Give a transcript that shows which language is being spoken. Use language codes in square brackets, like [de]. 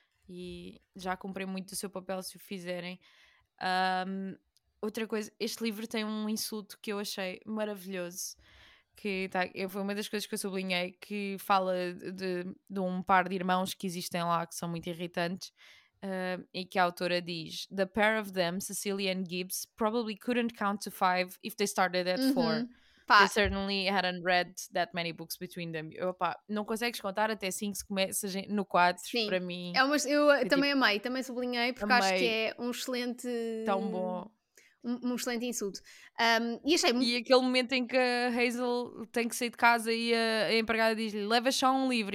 [pt] E já cumprem muito o seu papel se o fizerem. Outra coisa, este livro tem um insulto que eu achei maravilhoso. Que tá, foi uma das coisas que eu sublinhei, que fala de um par de irmãos que existem lá, que são muito irritantes, e que a autora diz: [en] "The pair of them, Cecily and Gibbs, probably couldn't count to five if they started at, uh-huh, four. [pt] Pá. [en] They certainly hadn't read that many books between them." [pt] Eu, opa, não consegues contar até 5 se começas no 4, para mim. É, mas eu também tipo, amei, também sublinhei, porque amei. Acho que é um excelente... Tão bom. Um excelente insulto. E achei muito... E aquele momento em que a Hazel tem que sair de casa e a empregada diz-lhe, leva só um livro.